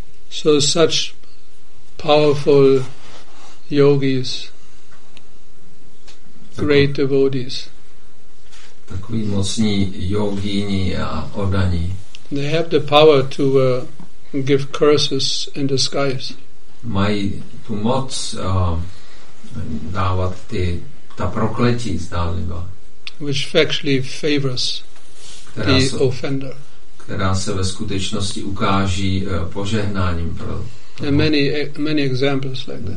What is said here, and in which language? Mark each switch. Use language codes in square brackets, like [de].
[en] So such powerful yogis, great devotees. [cs] Takový mocní jogíni a oddaní. [en] They have the power to give curses in disguise. [cs] Mají tu moc dávat ta prokletí zdáliva. [en] Which actually favors the offender. [cs] Která se ve skutečnosti ukáží požehnáním pro toho. [en] And many examples like that.